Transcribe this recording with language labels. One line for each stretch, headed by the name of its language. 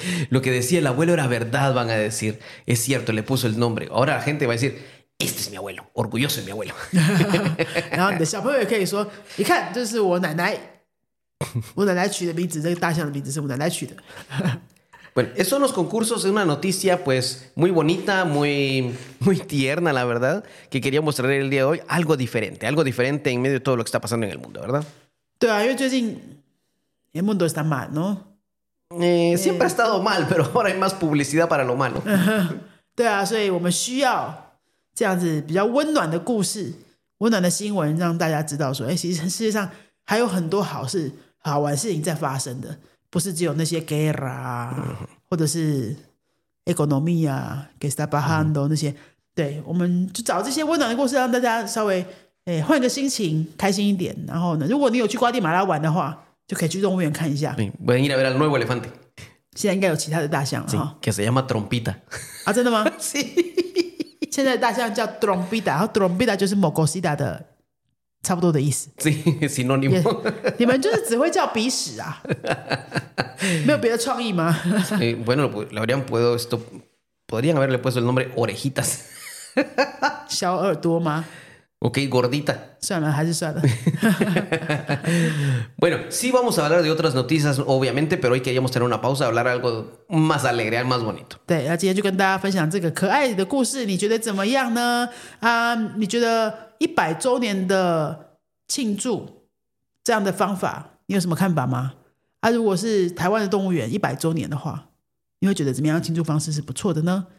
Spanish: Lo que decía el abuelo era verdad, van a decir. Es cierto, le puso el nombre. Ahora la gente va a decir, este es mi abuelo, orgulloso de mi abuelo.
Chinese: 然后你的小朋友也可以说，你看，这是我奶奶，我奶奶取的名字，这个大象的名字是我奶奶取的。
Spanish: Bueno, esos son los concursos, es una noticia pues muy bonita, muy, muy tierna, la verdad, que quería mostrar el día de hoy, algo diferente en medio de todo lo que está pasando en el mundo, ¿verdad?
Chinese: 对啊，因为最近
Spanish: el mundo está mal, ¿no? Siempre ha estado mal, pero ahora hay más publicidad para lo malo.
Chinese: 对啊，所以我们需要这样子比较温暖的故事，温暖的新闻，让大家知道说，其实世界上还有很多好事，好玩事情在发生的。不是只有那些 guerra 或者是 economía
Spanish: que está bajando
Chinese: 那些，对，我们就找这些温暖的故事让大家稍微换个心情开心一点，然后呢如果你有去瓜地马拉玩的话就可以去动物园看一下。
Spanish: voy a ir a ver al nuevo elefante，
Chinese: 现在应该有其他的大象了，
Spanish: sí, que se llama trompita。
Chinese: 啊，真的吗？
Spanish: sí，
Chinese: 现在的大象叫 trompita， 然后 trompita 就是 mocosita 的差不多的意思。
Spanish: Sí, sinónimo.
English: Yeah,
Chinese: 你们就是只会叫鼻屎啊。没有别的创意吗？
Spanish: Sí, bueno, podrían haberle puesto el nombre orejitas.
Chinese: 小耳朵吗？
Spanish: Ok, gordita.
Chinese: 算了，还是算了。
Spanish: Bueno, sí vamos a hablar de otras noticias, obviamente, pero hoy queríamos tener una pausa, hablar algo más alegre, más bonito.
Chinese: 对，那今天就跟大家分享这个可爱的故事，你觉得怎么样呢？你觉得100周年的庆祝这样的方法你有什么看法吗？如果是台湾的动物园100周年的话，你会觉得怎么样庆祝方式是不错的呢？